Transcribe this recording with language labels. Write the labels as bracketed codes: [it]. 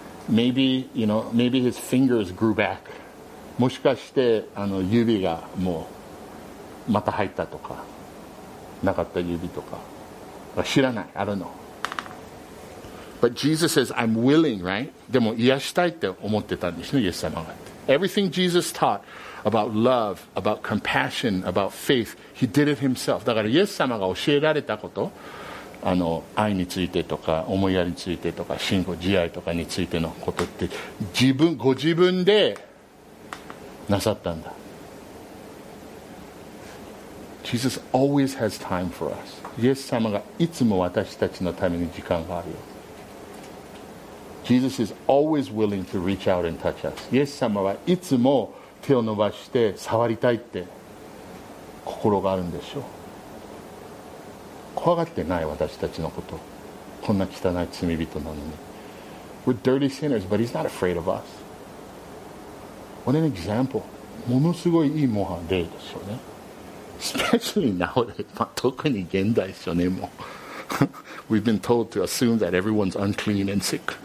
[en] Maybe, you know, maybe his fingers grew back. [ja] もしかして指がもうまた入ったとか、なかった指とか。知らない、 [en] I don't know. But Jesus says, I'm willing, right? [ja] でも癒したいって思ってたんですね、イエス様が。 [en] Everything Jesus taught about love, about compassion, about faith, he did it himself. [ja] だからイエス様が教えられたこと、愛についてとか、思いやりについてとか、信仰、慈愛とかについてのことって、ご自分でなさったんだ。 [en] Jesus always has time for us. [ja] イエス様がいつも私たちのために時間があるよ。 [en] Jesus is always willing to reach out and touch us. [ja] イエス様はいつも手を伸ばして触りたいって心があるんでしょう。怖がってない、私たちのこと。こんな汚い罪人なのに。 [en] We're dirty sinners, but he's not afraid of us. What an example. [ja] ものすごいいい模範例ですよね。 [en] Especially nowadays. [ja] まあ、特に現代ですよね、もう。 [en] We've been told to assume that everyone's unclean and sick.